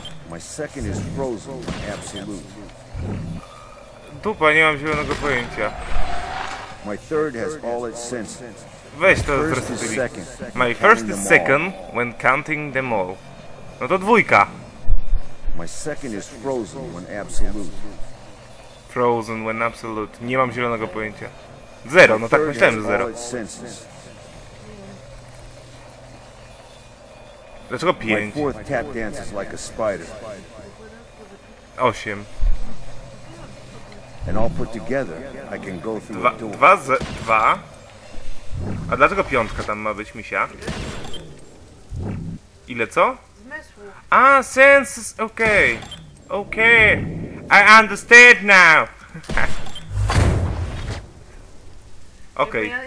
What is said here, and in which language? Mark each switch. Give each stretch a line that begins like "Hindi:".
English: My second is frozen, absolute.
Polish: Dupa, nie mam zielonego pojęcia.
English: My third has all its senses.
Polish: Weź to zresztą tymi.
English: My first is second when counting them all.
Polish: No to dwójka.
English: My second is frozen when absolute. Frozen when absolute.
Polish: Nie mam zielonego pojęcia. Zero, no tak myślałem, że zero. Dlaczego pięć?
English: My fourth tap dances like a spider. Osiem. And all put together, I can go through the door.
Polish: Dwa. A dlaczego piątka tam ma być, misia? Ile co? A, senses, okej. Okay. Okej.
English: Okay. I understand now.
Polish: Okej.
English: Okay.